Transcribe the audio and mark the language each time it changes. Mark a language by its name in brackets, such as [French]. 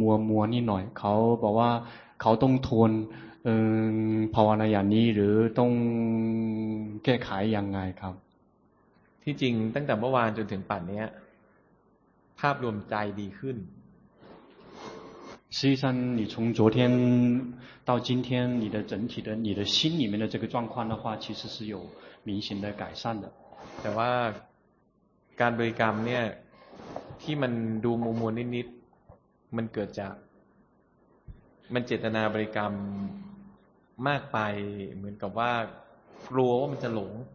[Thai] มัวๆนิดหน่อยเขาบอกว่าเขาต้องทวนภาวนาอย่างนี้หรือต้องแก้ไขยังไงครับ ที่จริงตั้งแต่เมื่อวานจนถึงป่านนี้ภาพรวมใจดีขึ้น [Chinese] 实际上你从昨天到今天你的整体的你的心里面的这个状况的话其实是有明显的改善的 [Thai] แต่ว่าการบริกรรมเนี่ยที่มันดูมัวๆนิดๆมันเกิดจากมันเจตนาบริกรรมมากไปเหมือนกับว่ากลัวว่ามันจะหลง